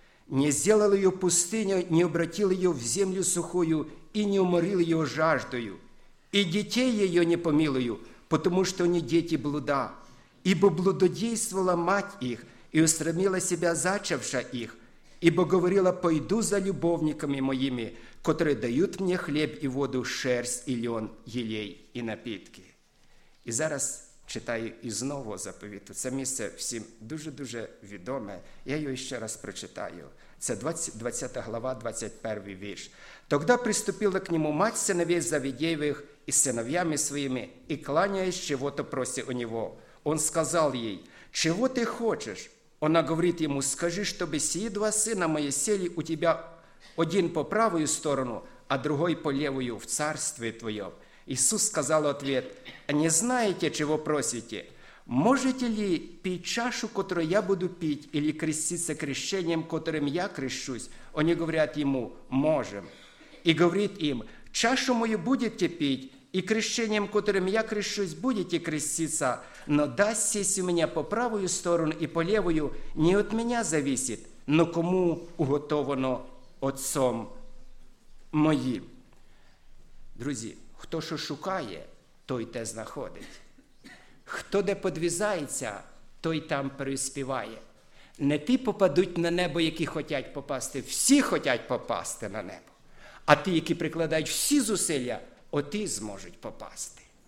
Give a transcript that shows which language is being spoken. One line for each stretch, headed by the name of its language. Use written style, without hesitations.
Russian: не сделал ее пустыню, не обратил ее в землю сухую и не уморил ее жаждою, и детей ее не помилую, потому что они дети блуда, ибо блудодействовала мать их и устремила себя зачавша их, ибо говорила, пойду за любовниками моими, которые дают мне хлеб и воду, шерсть и льон, елей и напитки.
Ukrainian: И зараз читаю и знову заповіту. Це місце всім дуже-дуже відоме. Я його ще раз прочитаю. Це 20 глава, 21 вірш.
Russian: Тогда приступила к нему мать сыновей Завидеевых и сыновьями своими, и кланяясь, чего-то просит у него. Он сказал ей, чего ты хочешь? Она говорит ему, скажи, чтобы сии два сына мои сели у тебя один по правую сторону, а другой по левую в царстве твоем. Иисус сказал ответ, не знаете, чего просите? Можете ли пить чашу, которую я буду пить, или креститься крещением, которым я крещусь? Они говорят ему, можем. И говорит им, чашу мою будете пить, и крещением, которым я крещусь, будете креститься, но даст сесть у меня по правую сторону и по левую, не от меня зависит, но кому уготовано отцом моим.
Ukrainian: Друзі, хто що шукає, той те знаходить. Хто де подвізається, той там переспіває. Не ті попадуть на небо, які хочуть попасти, всі хочуть попасти на небо. А ті, які прикладають всі зусилля, оті зможуть попасти.